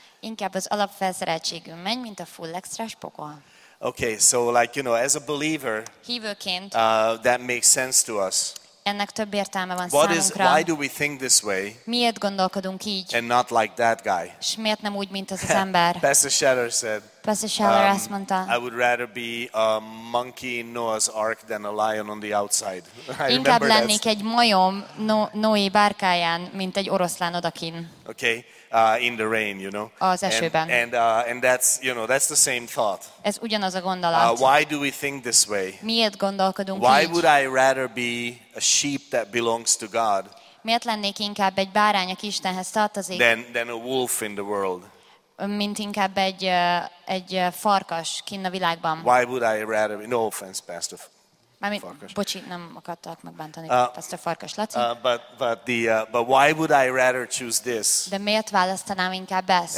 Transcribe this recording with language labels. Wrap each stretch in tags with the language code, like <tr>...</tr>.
<hu>Inkább az alapfelszereltségünk menj, mint a full extra pokol.</hu> <en>Okay, so like, you know, as a believer,</en> <hu>hívőként,</hu> <en>that makes sense to us.</en> <hu>Ennek több értelme van</hu> <en>what</en> <hu>számunkra.</hu> <en>Why do we think this way?</en> <hu>Miért gondolkodunk így?</hu> <en>And not like that guy.</en> <hu>És miért nem úgy, mint az az ember?</hu> <en>Pastor Scheller said,</en> <hu>azt mondta,</hu> <en>I would rather be a monkey in Noah's ark than a lion on the outside.</en> <hu>Inkább lennék egy majom Noé bárkáján, mint egy oroszlán odakin.</hu> <en>Okay, in the rain, you know.</en> <hu>Az esőben.</hu> <en>And that's, you know, that's the same thought.</en> <hu>Ez ugyanaz a gondolat.</hu> <en>Why do we think this way?</en> <hu>Miért gondolkodunk</hu> <en>why</en> <hu>így?</hu> <en>Why would I rather be a sheep that belongs to God?</en> <hu>Miért lennék inkább egy bárány, aki Istenhez tartozik?</hu> <en>Than a wolf in the world.</en> <hu>Mint inkább egy farkas kinn a világban.</hu> <en>Why would I rather be, no offense, Pastor Farkas.</en> <hu>Bocsi, nem akartalak megbántani, Pastor Farkas Laci.</hu> <en>But why would I rather choose this?</en> <hu>De miért választanám inkább ezt?</hu>